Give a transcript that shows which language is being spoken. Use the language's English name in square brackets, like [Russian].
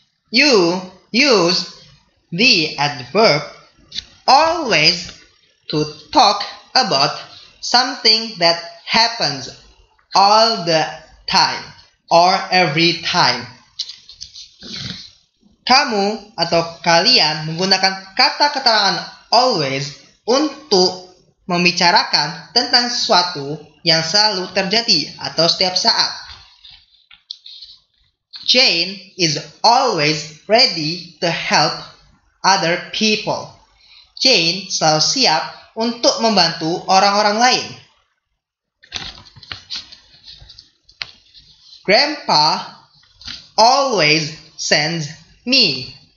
[English] You use the adverb always to talk about something that happens all the time or every time. [Indonesian] Kamu atau kalian menggunakan kata keterangan always untuk membicarakan tentang sesuatu yang selalu terjadi atau setiap saat. [English] Jane is always ready to help other people. [Indonesian] Jane selalu siap untuk membantu orang-orang lain. [English] Grandpa always sends me